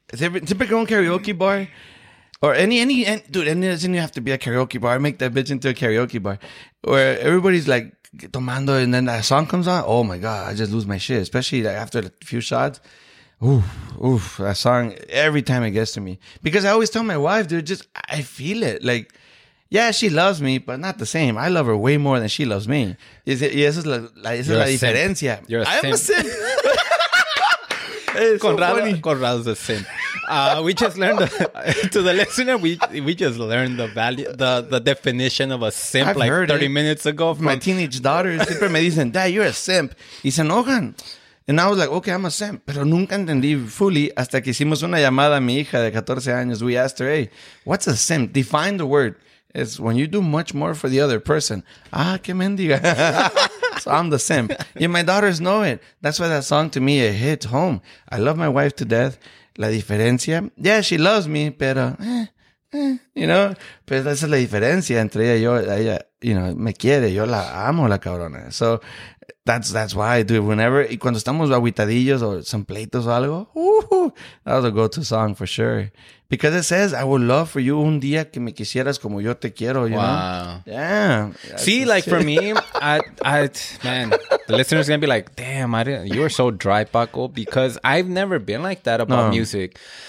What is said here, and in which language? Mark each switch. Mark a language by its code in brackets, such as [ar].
[en] Typical karaoke bar, or any dude, and it doesn't have to be a karaoke bar. I make that bitch into a karaoke bar where everybody's like tomando, and then that song comes on. Oh my God, I just lose my shit, especially like after a few shots. Oof, that song, every time it gets to me, because I always tell my wife, dude, just I feel it. Like, Yeah, she loves me, but not the same. I love her way more than she loves me. [es] Y esa es la, esa es la diferencia. [en] I'm a simp. Conrado's a simp. We just learned to the listener. We just learned the value, the definition of a simp. I've like 30 minutes ago. My teenage daughters [es] siempre me dicen, [en] "Dad, you're a simp." [es] Y se enojan. [en] And I was like, "Okay, I'm a simp." [es] Pero nunca entendí [en] fully [es] hasta que hicimos una llamada a mi hija de 14 años. [en] We asked her, "Hey, what's a simp? Define the word." It's when you do much more for the other person. [es] Ah, qué mendiga. [en] So I'm the simp. And my daughters know it. That's why that song to me, it hits home. I love my wife to death. [es] La diferencia. [en] Yeah, she loves me, [es] pero, [en] you know. [es] Pero esa es la diferencia entre ella y yo. Ella, [en] you know, [es] me quiere. Yo la amo, la cabrona. [en] So that's why I do it whenever. [es] Y cuando estamos aguitadillos o some pleitos o algo. [en] That was a go-to song for sure. Because it says, I would love for you [es] un día que me quisieras como yo te quiero, [en] you know? Yeah. See, like, for me, man, the listener's going to be like, damn, you are so dry, Paco, because I've never been like that about music.